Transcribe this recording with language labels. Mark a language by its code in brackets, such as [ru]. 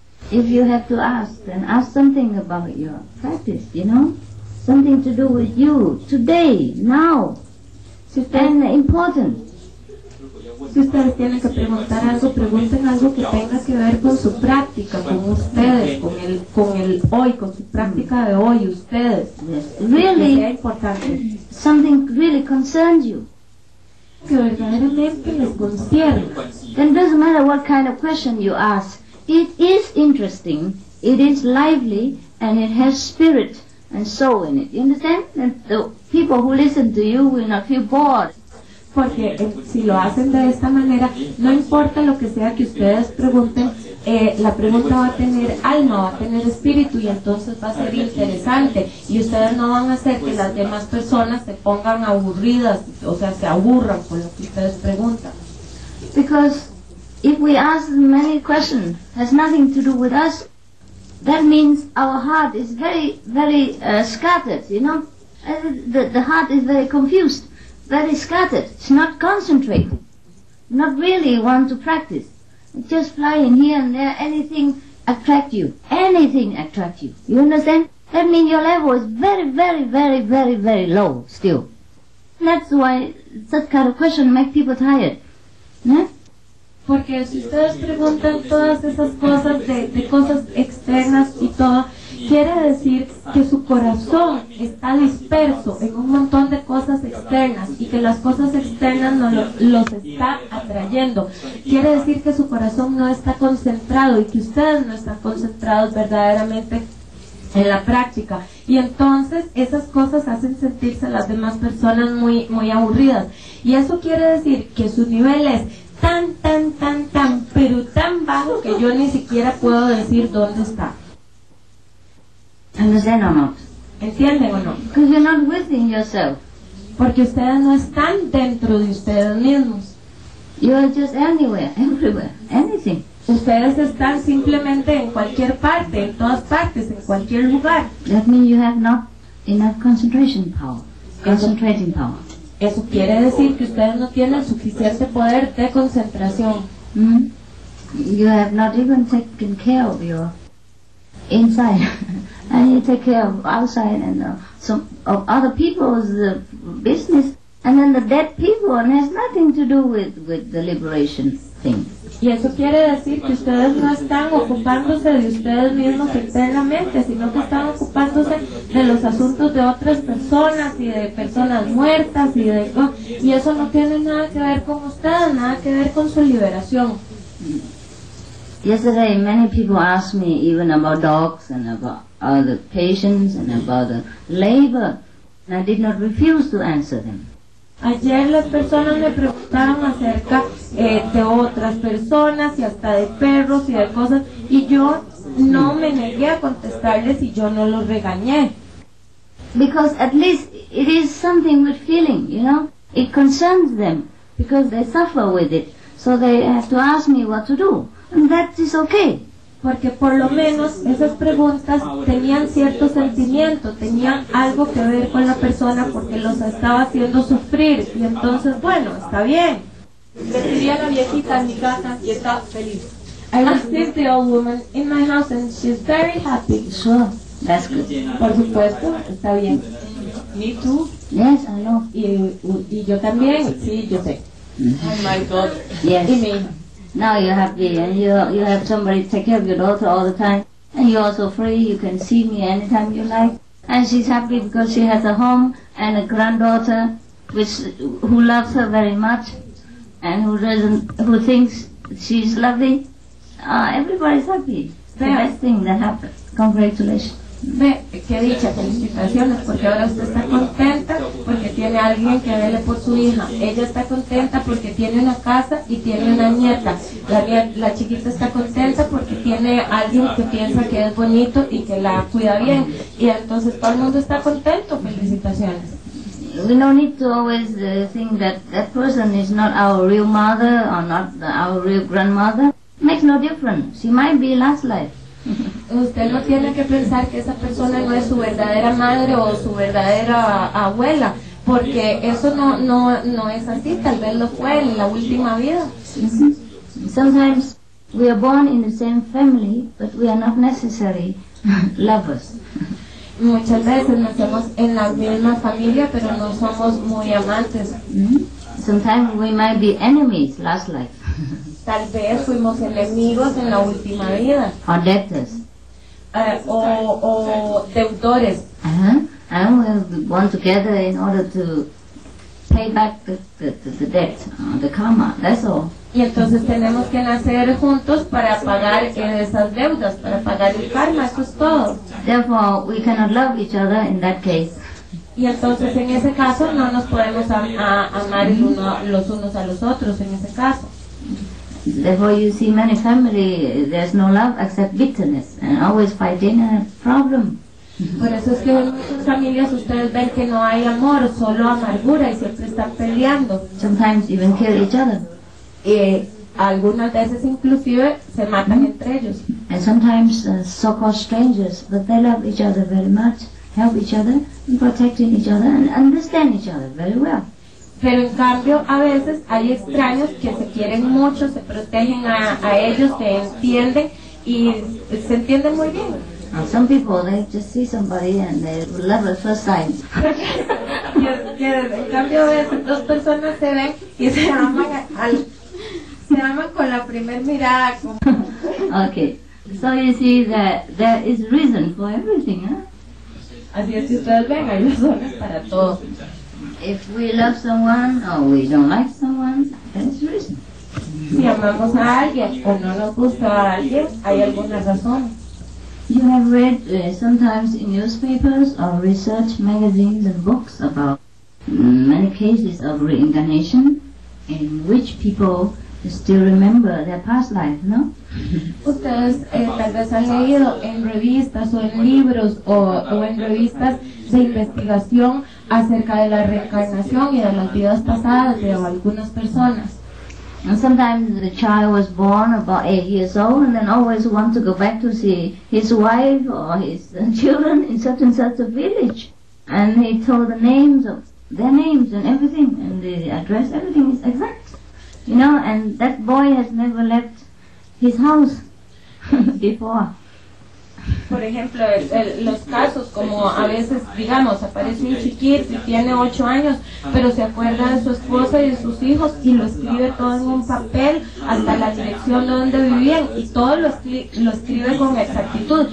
[en] If you have to ask, then ask something about your practice, you know, something to do with you, today, now, and important. [es] Si ustedes tienen que preguntar algo, pregunten algo que tenga que ver con su práctica, con ustedes, con el hoy, con su práctica de hoy, ustedes. [en] Really, something really concerns you. [es] Que verdaderamente les concierne. [en] Then it doesn't matter what kind of question you ask. It is interesting, it is lively, and it has spirit and soul in it. You understand? And the people who listen to you will not feel bored. [es] Porque si lo hacen de esta manera, no importa lo que sea que ustedes pregunten, la pregunta va a tener alma, va a tener espíritu, y entonces va a ser interesante. Y ustedes no van a hacer que las demás personas se pongan aburridas, o sea, se aburran con lo que ustedes preguntan. [en] Because if we ask many questions, has nothing to do with us, that means our heart is very, very scattered, you know? The heart is very confused, very scattered. It's not concentrated, not really want to practice. It's just flying here and there, anything attract you, anything attract you. You understand? That means your level is very, very, very, very, very low still. That's why such kind of question make people tired. Yeah? [es] Porque si ustedes preguntan todas esas cosas de cosas externas y todo, quiere decir que su corazón está disperso en un montón de cosas externas y que las cosas externas no los está atrayendo. Quiere decir que su corazón no está concentrado y que ustedes no están concentrados verdaderamente en la práctica. Y entonces esas cosas hacen sentirse a las demás personas muy, muy aburridas. Y eso quiere decir que su nivel es tan, tan, tan, tan, pero tan bajo que yo ni siquiera puedo decir dónde está. ¿Entienden o no? ¿Entienden o no? [en] Because you're not within yourself. [es] Porque ustedes no están dentro de ustedes mismos. [en] You are just anywhere, everywhere, anything. [es] Ustedes están simplemente en cualquier parte, en todas partes, en cualquier lugar. [en] That means you have not enough concentration power, concentrating power. [es] Eso quiere decir que ustedes no tienen suficiente poder de concentración. Mm-hmm. [en] You have not even taken care of your inside. And you take care of outside and some of other people's business. And then the dead people, and has nothing to do with the liberation thing. [es] Y eso quiere decir que ustedes no están ocupándose de ustedes mismos internamente, sino que están ocupándose de los asuntos de otras personas y de personas muertas y de... Y eso no tiene nada que ver con ustedes, nada que ver con su liberación. [en] Yesterday many people asked me even about dogs and about other patients and about the labor. And I did not refuse to answer them. [es] Ayer las personas me preguntaron acerca de otras personas y hasta de perros y de cosas y yo no me negué a contestarles y yo no los regañé. [en] Because at least it is something with feeling, you know? It concerns them because they suffer with it. So they have to ask me what to do. And that is okay. [es] Porque por lo menos esas preguntas tenían cierto sentimiento, tenían algo que ver con la persona porque los estaba haciendo sufrir. Y entonces, bueno, está bien. Decía la viejita en mi casa y está feliz. [en] I received the old woman in my house and she's very happy. Sure, that's good. [es] Por supuesto, está bien. [en] Me too. Yes, I know. [es] Y yo también, sí, yo sé. [en] Mm-hmm. Oh my God. Yes. [es] Y me. [en] Now you're happy and you have somebody to take care of your daughter all the time. And you're also free, you can see me anytime you like. And she's happy because she has a home and a granddaughter who loves her very much and who thinks she's lovely. Everybody's happy. The best thing that happened. Congratulations. [es] Ve, qué dicha, felicitaciones, porque ahora usted está contenta porque tiene a alguien que vele por su hija. Ella está contenta porque tiene una casa y tiene una nieta. La chiquita está contenta porque tiene alguien que piensa que es bonito y que la cuida bien. Y entonces todo el mundo está contento, felicitaciones. [en] We don't need to always think that person is not our real mother or not our real grandmother. Makes no difference. She might be last life. [es] Usted no tiene que pensar que esa persona no es su verdadera madre o su verdadera abuela, porque eso no es así, tal vez lo fue en la última vida. Mm-hmm. [en] Sometimes we are born in the same family, but we are not necessary lovers. [es] Muchas veces nacemos en la misma familia, pero no somos muy amantes. [en] Mm-hmm. Sometimes we might be enemies last life. [es] Tal vez fuimos enemigos en la última vida. [en] Or debtors. [es] O deudores. Uh-huh. [en] And we're born together in order to pay back the debt, the karma, that's all. [es] Y entonces tenemos que nacer juntos para pagar esas deudas, para pagar el karma, eso es todo. [en] Therefore, we cannot love each other in that case. [es] Y entonces en ese caso no nos podemos amar los unos a los otros en ese caso. [en] Therefore, you see, many families, there's no love except bitterness, and always fighting and a problem. [es] Por eso es que en muchas familias ustedes ven que no hay amor, solo amargura, y siempre están peleando. [en] Sometimes even kill each other. [es] Y algunas veces inclusive se matan mm-hmm. entre ellos. [en] And sometimes so-called strangers, but they love each other very much, help each other, and protecting each other, and understand each other very well. [es] Pero en cambio, a veces hay extraños que se quieren mucho, se protegen a ellos, se entienden y se entienden muy bien. [en] Some people, they just see somebody and they love at first sight. [es] En cambio, a veces dos personas se ven y se aman con la primer mirada. [en] Okay, so you see that there is reason for everything, huh? [es] Así es que ustedes ven, hay razones para todo. [en] If we love someone or we don't like someone, then it's reason. [es] Si amamos a alguien o no nos gusta a alguien, hay alguna razón. [en] You have read sometimes in newspapers or research magazines and books about many cases of reincarnation in which people still remember their past life, no? [es] Ustedes tal vez han leído en revistas o en libros o en revistas de investigación acerca de la reencarnación y de las vidas pasadas de algunas personas. [en] And sometimes the child was born about 8 years old and then always want to go back to see his wife or his children in such and such a village. And he told the names of their names and everything, and the address, everything is exact. You know, and that boy has never left his house before. [es] Por ejemplo, los casos como a veces, digamos, aparece un chiquito y tiene 8 años, pero se acuerda de su esposa y de sus hijos y lo escribe todo en un papel, hasta la dirección donde vivían, y todo lo escribe con exactitud.